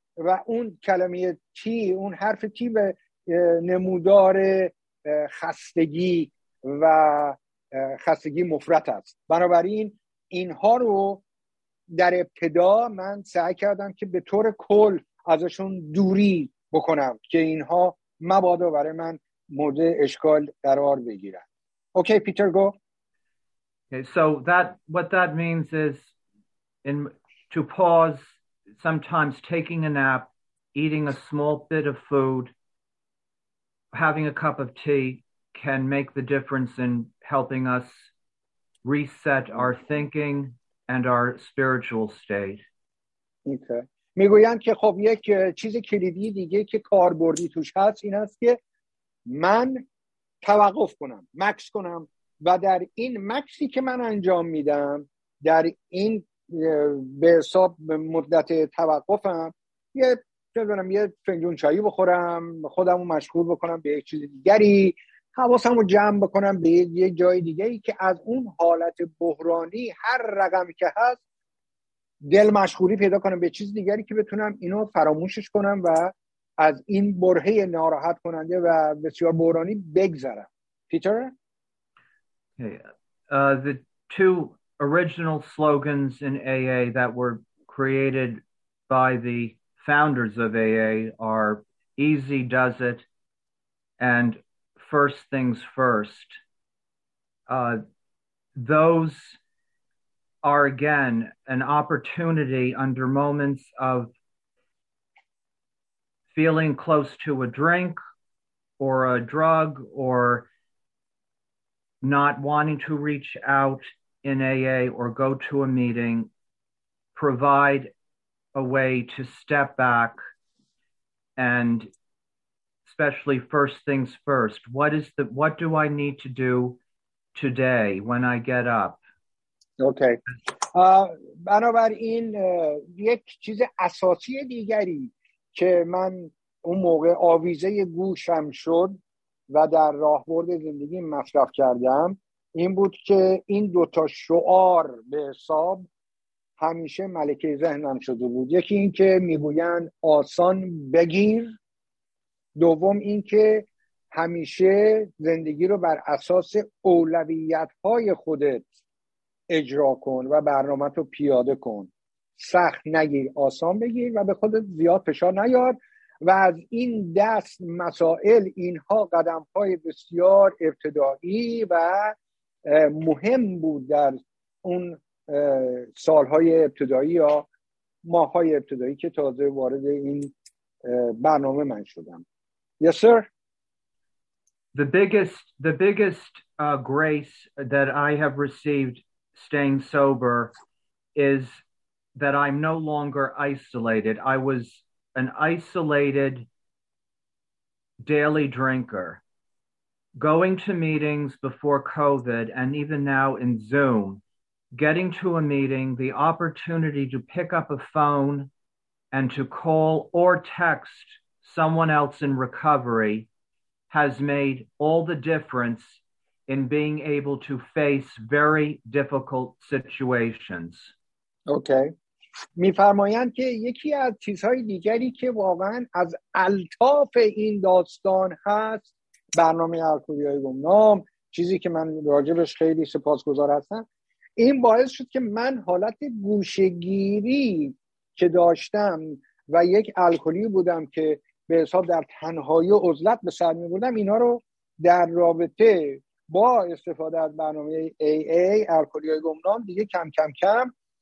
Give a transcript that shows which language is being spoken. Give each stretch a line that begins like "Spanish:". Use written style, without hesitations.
Persian: و اون کلمه T, اون حرف T به نمودار خستگی و خستگی مفرط است. بنابراین اینها رو در ابتدا من سعی کردم که به طور کل ازشون دوری بکنم که اینها مبادا برای من مورد اشکال قرار بگیرن.
English: Okay, Peter, go. Okay, so what that means is in to pause, sometimes taking a nap, eating a small bit of food, having a cup of tea can make the difference in helping us reset our thinking and our spiritual state. Okay.
Persian: میگویند که خب یک چیز کلیدی دیگه که کاربردی توش هست این است که من توقف کنم، مکس کنم و در این مکسی که من انجام میدم در این به حساب مدت توقفم یه فنجون چایی بخورم، خودم رو مشغول بکنم به یک چیز دیگری حواسم رو جمع بکنم به یه جای دیگه ای که از اون حالت بحرانی هر رقمی که هست دل مشغولی پیدا کنم به چیز دیگری که بتونم اینو فراموشش کنم و از این برهه ناراحت کننده و بسیار بحرانی بگذرم. پیتر؟
English: The two original slogans in AA that were created by the founders of AA are easy does it and first things first. Those are again an opportunity under moments of feeling close to a drink or a drug or not wanting to reach out in AA or go to a meeting, provide a way to step back and especially first things first. What do I need to do today when I get up? Okay.
Persian: بنابراین یک چیز اساسی دیگری که من اون موقع آویزه گوشم شد و در راهبرد زندگی مصرف کردم این بود که این دوتا شعار به حساب همیشه ملکه ذهنم شده بود. یکی این که میگوین آسان بگیر، دوم این که همیشه زندگی رو بر اساس اولویت‌های خودت اجرا کن و برنامه‌ت رو پیاده کن، سخت نگیر، آسان بگیر و به خودت زیاد فشار نیار و از این دست مسائل اینها قدم‌های بسیار ابتدایی و مهم بود در اون سال‌های ابتدایی یا ماه‌های ابتدایی که تازه وارد این برنامه من شدم.
English: Yes, sir. The biggest grace that I have received staying sober is that I'm no longer isolated. I was an isolated daily drinker. Going to meetings before COVID and even now in Zoom, getting to a meeting, the opportunity to pick up a phone and to call or text someone else in recovery has made all the difference in being able to face very difficult situations. Okay.
Persian: می‌فرمایند که یکی از چیزهای دیگری که واقعا از الطاف این داستان هست برنامه الکلی‌های گمنام، چیزی که من راجبش خیلی سپاسگزار هستم، این باعث شد که من حالت گوشه‌گیری که داشتم و یک الکلی بودم که به حساب در تنهایی و عزلت به سر می‌بردم، اینا رو در رابطه با استفاده از برنامه AA الکلی‌های گمنام دیگه کم کم کم